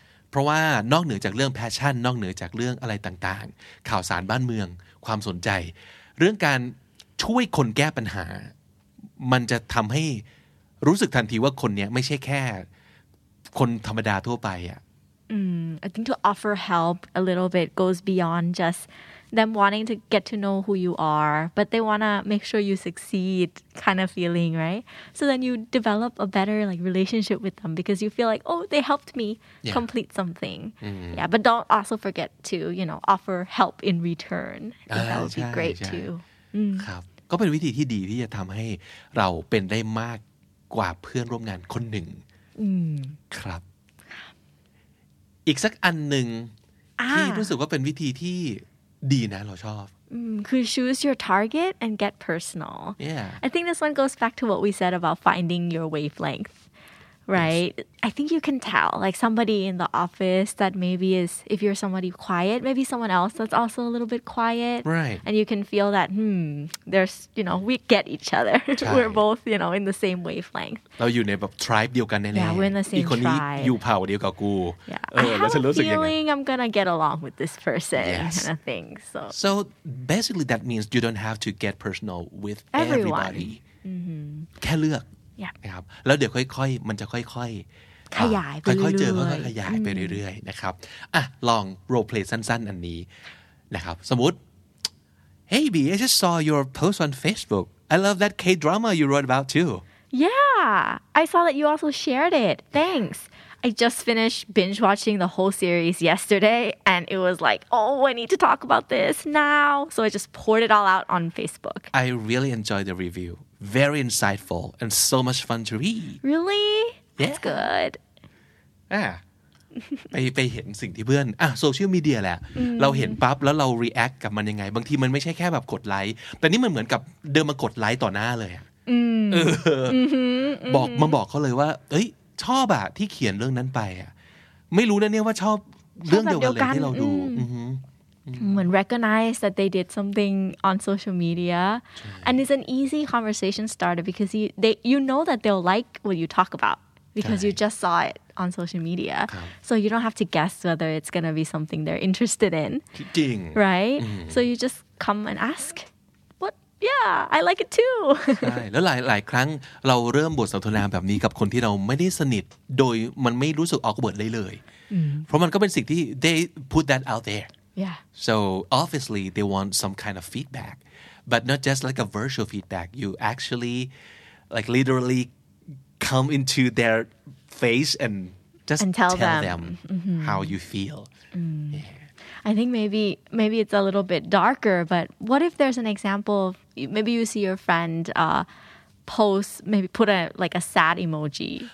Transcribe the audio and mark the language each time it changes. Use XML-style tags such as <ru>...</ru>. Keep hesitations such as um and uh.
<th>เพราะว่านอกเหนือจากเรื่องแพชชั่น นอกเหนือจากเรื่องอะไรต่างๆ ข่าวสารบ้านเมือง ความสนใจ เรื่องการช่วยคนแก้ปัญหา มันจะทำให้รู้สึกทันทีว่าคนเนี้ยไม่ใช่แค่ คนธรรมดาทั่วไปอ่ะ</th> <en>I think to offer help a little bit goes beyond just them wanting to get to know who you are, but they want to make sure you succeed kind of feeling, right? So then you develop a better like relationship with them because you feel like, "Oh, they helped me complete something." Yeah, but don't also forget to, you know, offer help in return. I think that would be Ah, great yeah. too.</en> <th>ครับก็เป็นวิธีที่ดีที่จะทำให้เราเป็นได้มากกว่าเพื่อนร่วมงานคนหนึ่งครับ อีกสักอันหนึ่งที่รู้สึกว่าเป็นวิธีที่ดีนะเราชอบ</th> <en>Could choose your target and get personal. Yeah. I think this one goes back to what we said about finding your wavelength, right? I think you can tell, like somebody in the office that maybe is, if you're somebody quiet, maybe someone else that's also a little bit quiet. Right. And you can feel that, hmm, there's, you know, we get each other. We're both, you know, in the same wavelength.</en> <th>เราอยู่ในแบบ tribe เดียวกันแน่ๆ</th> <en>Yeah, we're in the same</en> <th>อีกคนนี้</th> <en>tribe</en> <th>อยู่เผ่าเดียวกับกู</th> <en>Yeah.</en> <th>เอ</th> <en>I</en> <th>อแล้ว</th> <en>have</en> <th>ฉัน</th> <en>a</en> <th>รู้สึกยังไง</th> <en>feeling I'm going to get along with this person Yes. kind of thing. So, so basically that means you don't have to get personal with Everyone.</en> <th>everybody แค่เลือก</th> <en>yeah.</en> <th>นะครับแล้วเดี๋ยวค่อยๆ มันจะค่อยๆ ขยายไป อ่ค่อยๆ เจอ เรื่อยๆ ค่อยๆขยายไปเรื่อยๆ นะครับ อ่ะ ลอง role play สั้นๆ อันนี้นะครับ สมมติ</th> <en>Hey B I just saw your post on Facebook I love that K drama you wrote about too Yeah, I saw that you also shared it. Thanks. I just finished binge watching the whole series yesterday, and it was like, oh, I need to talk about this now. So I just poured it all out on Facebook. I really enjoyed the review very insightful and so much fun to read Really? That's good.</en> <th>อ่ะไปไปเห็นสิ่งที่เพื่อนอ่ะโซเชียลมีเดียแหละ เราเห็นปั๊บแล้วเรา react กับมันยังไง บางทีมันไม่ใช่แค่แบบกดไลค์ แต่นี่มันเหมือนกับเดินมากดไลค์ต่อหน้าเลยอะเอออบอกมาบอกเขาเลยว่า เอ้ย ชอบอะที่เขียนเรื่องนั้นไปอะไม่รู้นะเนี่ยว่าชอบเรื่องเดียวกันเลยที่เราดูอือฮึ</th> <en>When recognize that they did something on social media, and it's an easy conversation starter because you they you know that they'll like what you talk about because you just saw it on social media. So you don't have to guess whether it's gonna be something they're interested in.</en> <th>จริง</th> <en>right? So you just come and ask, what? Yeah, I like it too.</en> <th>ใช่แล้วหลายหลายครั้งเราเริ่มบทสนทนาแบบนี้กับคนที่เราไม่ได้สนิท โดยมันไม่รู้สึกออกเบิร์ดเลยเลย เพราะมันก็เป็นสิ่งที่</th> <en>they put that out there yeah. So obviously they want some kind of feedback, but not just like a virtual feedback. You actually, like literally, come into their face and just And tell them, them. how you feel. I think maybe maybe it's a little bit darker, but what if there's an example of maybe you see your friend uh, post maybe put a like a sad emoji</en>